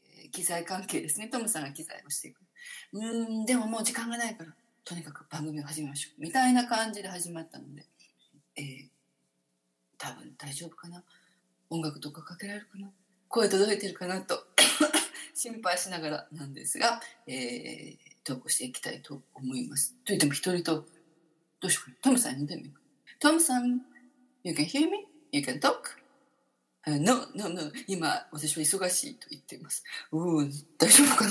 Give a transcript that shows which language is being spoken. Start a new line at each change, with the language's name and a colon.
Japanese: 機材関係ですね、トムさんが機材をしていく、でももう時間がないからとにかく番組を始めましょうみたいな感じで始まったので、多分大丈夫かな、音楽とかかけられるかな、声届いてるかなと心配しながらなんですが、投稿していきたいと思います。といっても一人と、どうしようか、トムさんに呼んでみよう。
English: トムさん、 You can hear me? You can talk? No, no, no.
Japanese: 今私は忙しいと言っています。大丈夫かな。